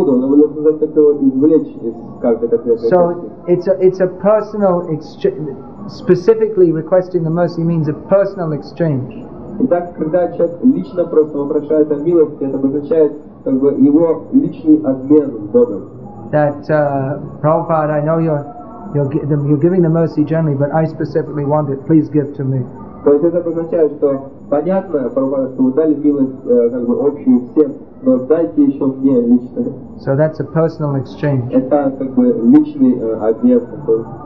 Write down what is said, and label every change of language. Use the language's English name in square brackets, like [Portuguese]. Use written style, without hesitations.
[English] So it's a personal exchange. Specifically requesting the mercy means a personal exchange. [Russian] Итак, когда человек лично просто вопрошает о милости, это обозначает как бы его личный обмен с Богом. [English] That, Prabhupada, I know you're giving the mercy generally, but I specifically want it. Please give to me. [Russian] То есть это обозначает, что понятно, Prabhupada, что вы дали милость как бы общую всем, но дайте еще мне лично. [English] So that's a personal exchange. [Russian] Это как бы личный обмен такой.